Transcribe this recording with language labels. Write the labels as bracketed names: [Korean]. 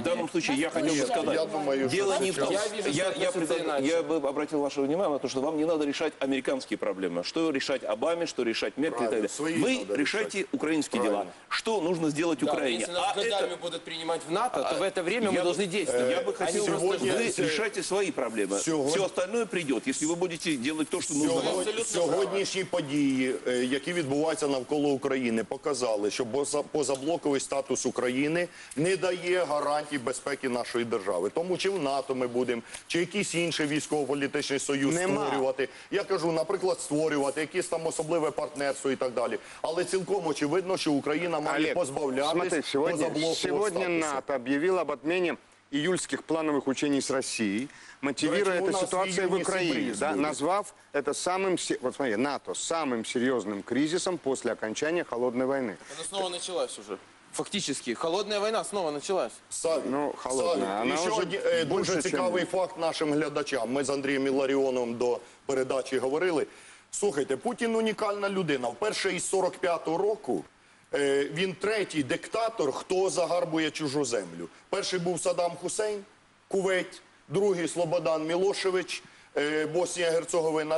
[Russian] В данном случае я хотел бы сказать, дело не в том, я бы обратил ваше внимание на то, что вам не надо решать американские проблемы, что решать Обаме, что решать Меркель и так далее. Вы решайте украинские дела. Что нужно сделать Украине? А если нас годами будут принимать в НАТО, то в это время мы должны действовать. Я бы хотел сказать, вы решайте свои проблемы. Все остальное придет, если вы будете делать то, что нужно. [Ukrainian] Сьогоднішні події, які відбуваються навколо України, показали, що позаблоковий статус України не дає гарантій безпеки нашої держави. Тому чи в НАТО ми будемо, чи якийсь інший військово-політичний союз створювати. Я кажу, наприклад, створювати якісь там особливе партнерство і так далі. Але цілком очевидно, що Україна має позбавлятися позаблокового статусу. Сьогодні НАТО об'явило об отмені июльських планових учень з Росії, [Russian] мотивируя эту ситуацию в Украине, да, назвав это самым, вот смотри, НАТО самым серьезным кризисом после окончания холодной войны. Она снова началась уже. Фактически, холодная война снова началась. Ну, холодная. Она еще [Ukrainian] один дуже цікавий факт нашим глядачам. Ми з Андрієм Ларіоновим до передачі говорили. Слухайте, Путін унікальна людина. Вперше із 45-го року він третій диктатор, хто загарбує чужу землю. Перший був Саддам Хусейн, Кувейт. Другий – Слободан Мілошевич, Боснія-Герцеговина.